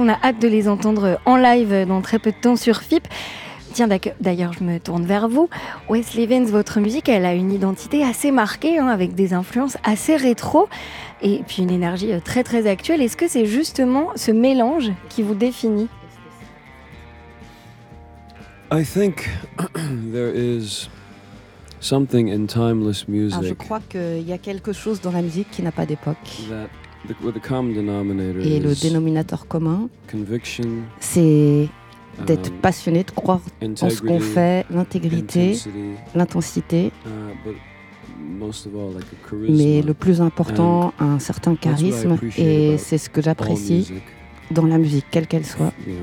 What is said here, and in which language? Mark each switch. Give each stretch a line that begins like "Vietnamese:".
French: On a hâte de les entendre en live dans très peu de temps sur FIP. Tiens, d'ailleurs, je me tourne vers vous. Wesley Vens, votre musique, elle a une identité assez marquée, avec des influences assez rétro et puis une énergie très, très actuelle. Est-ce que c'est justement ce mélange qui vous définit?
English: I think there is something in timeless music.
French: Alors, je crois qu'il y a quelque chose dans la musique qui n'a pas d'époque.
English: The common denominator
French: et le dénominateur commun,
English: conviction,
French: c'est d'être passionné, de croire en ce qu'on fait, l'intégrité, l'intensité,
English: but most of all, like a charisma,
French: mais le plus important, un certain charisme, et c'est ce que j'apprécie dans la musique, quelle qu'elle soit.